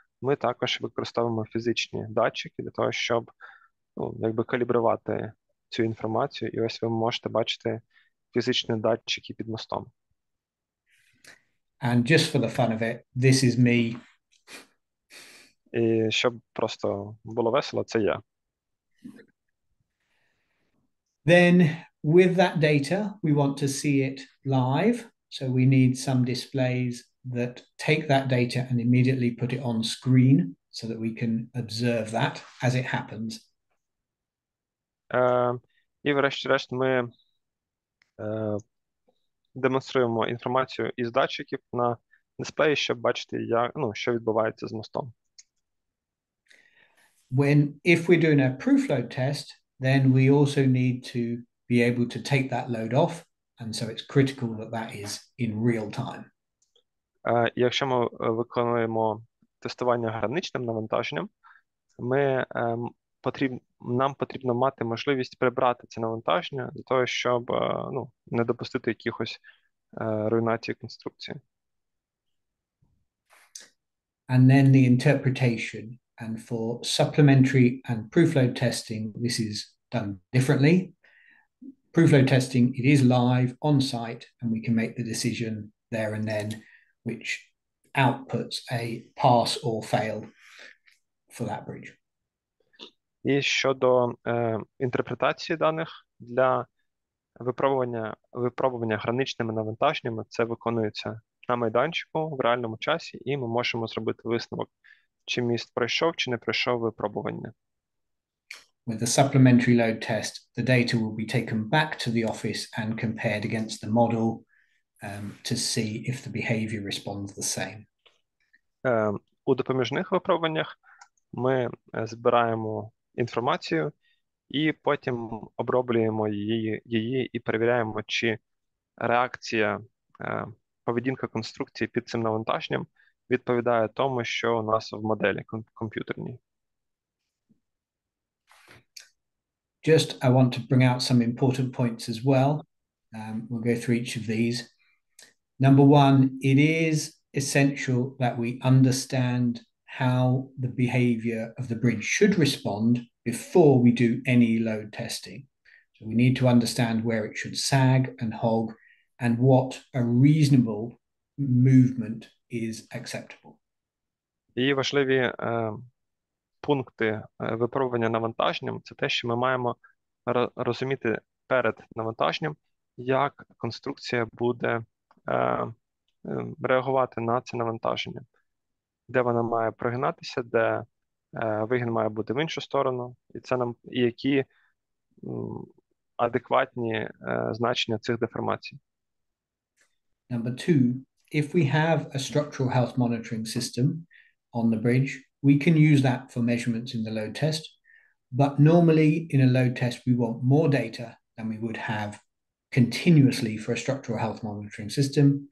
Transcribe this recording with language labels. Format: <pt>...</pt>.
<uk>Ми також використовуємо фізичні датчики для того, щоб калібрувати цю інформацію, і ось ви можете бачити фізичні датчики під мостом.</uk> <en>And just for the fun of it, this is me.</en> <uk>І щоб просто було весело, це я.</uk> <en>Then with that data, we want to see it live. So we need some displays that take that data and immediately put it on screen so that we can observe that as it happens.</en> <uk>І врешті-решт ми демонструємо інформацію із датчиків на дисплеї, щоб бачити, що відбувається з мостом.</uk> <en>If we're doing a proof load test, then we also need to be able to take that load off, and so it's critical that that is in real time.</en> <uk>Якщо ми виконуємо тестування граничним навантаженням, нам потрібно мати можливість прибрати це навантаження для того, щоб не допустити якихось руйнації конструкції.</uk> <en>And then the interpretation. And for supplementary and proof load testing, this is done differently. Proof load testing, it is live on site, and we can make the decision there and then, which outputs a pass or fail for that bridge.</en> <uk>І щодо інтерпретації даних для випробування граничними навантаженнями, це виконується на майданчику в реальному часі, і ми можемо зробити висновок, чи міст пройшов, чи не пройшов випробування.</uk> <en>With the supplementary load test, the data will be taken back to the office and compared against the model to see if the behavior responds the same.</en> <uk>У допоміжних випробуваннях ми збираємо інформацію і потім оброблюємо її і перевіряємо, чи реакція, поведінка конструкції під цим навантаженням відповідає тому, що у нас в моделі комп'ютерній.</uk> <en>Just I want to bring out some important points as well. We'll go through each of these. Number one, it is essential that we understand how the behavior of the bridge should respond before we do any load testing. So we need to understand where it should sag and hog and what a reasonable movement is acceptable.</en> <uk>І важливі пункти випробування навантаженням – це те, що ми маємо розуміти перед навантаженням, як конструкція буде реагувати на це навантаження, де вона має прогинатися, де вигін має бути в іншу сторону, і які адекватні значення цих деформацій.</uk> <en>Number two, if we have a structural health monitoring system on the bridge, we can use that for measurements in the load test. But normally in a load test, we want more data than we would have continuously for a structural health monitoring system.</en>